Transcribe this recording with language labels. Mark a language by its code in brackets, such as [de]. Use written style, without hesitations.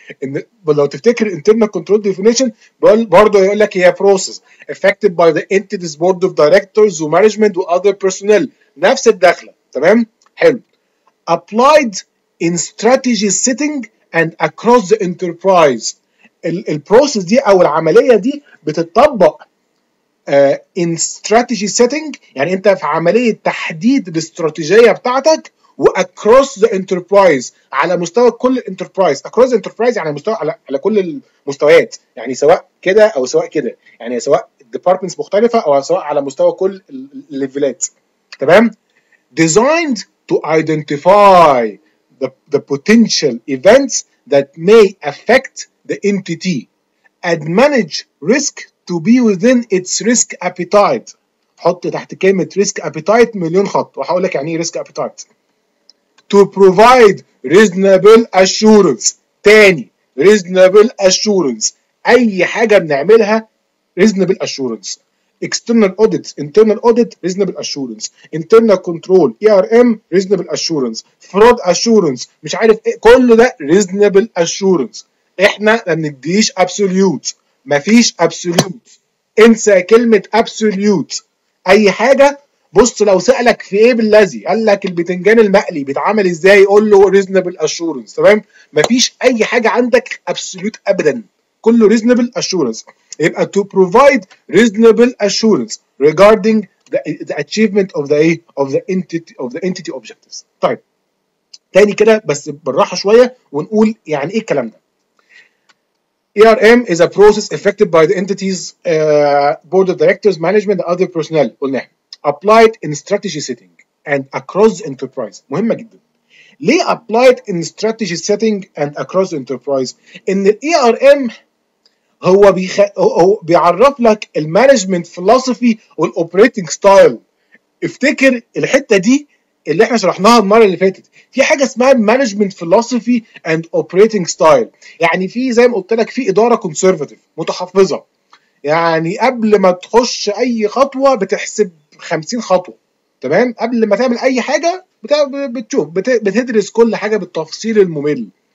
[ar] ان لو تفتكر [en] internal control definition [ar] برضه يقول لك هي [en] process affected by the entity's board of directors و management و other personnel، [ar] نفس الدخلة. تمام، حلو. [en] applied in strategy setting and across the enterprise. [ar] ال process دي او العملية دي بتتطبق [en] in strategy setting، [ar] يعني انت في عملية تحديد الاستراتيجية بتاعتك، و [en] across the enterprise [ar] على مستوى كل الانتربرايز. [en] across the enterprise [ar] يعني مستوى على كل المستويات، يعني سواء كده او سواء كده، يعني سواء الديبارتمنتس مختلفه او سواء على مستوى كل الليفلات. [en] تمام، designed to identify the potential events that may affect the entity and manage risk to be within its risk appetite. [ar] حط تحت كلمه risk appetite مليون خط، وهقول لك يعني ايه risk appetite. [en] To provide reasonable assurance. [ar] تاني reasonable assurance، أي حاجة بنعملها reasonable assurance. [en] External audit, internal audit, reasonable assurance. Internal control, ERM, reasonable assurance. [ar] Fraud assurance، مش عارف إيه، كل ده reasonable assurance. إحنا ما بنديش absolute، مفيش absolute، انسى كلمة absolute. أي حاجة، بص لو سألك في ايه باللذي، قال لك البتنجان المقلي بيتعمل ازاي، قول له ريزنبل اشورنس. تمام، مفيش اي حاجه عندك ابسولوت ابدا، كله ريزنبل اشورنس. [en] يبقى to provide reasonable assurance regarding the achievement of the ايه of the entity of the entity objectives. [ar] طيب تاني كده بس بالراحه شويه، ونقول يعني ايه الكلام ده. [en] ERM is a process affected by the entities board of directors management and other personnel. قلنا applied in strategy setting and across the enterprise. [ar] مهمة جدا. ليه [en] applied in strategy setting and across the enterprise؟ [ar] ان الـ ERM هو بيعرف لك الـ management philosophy والـ operating style. افتكر الحتة دي اللي احنا شرحناها المره اللي فاتت، في حاجه اسمها مانجمنت فيلوسفي اند اوبريتنج ستايل، يعني في زي ما قلت لك في اداره كونسرفاتيف متحفظه، يعني قبل ما تخش اي خطوه بتحسب 50 خطوه تمام، قبل ما تعمل اي حاجه بتشوف بتدرس كل حاجه بالتفصيل الممل.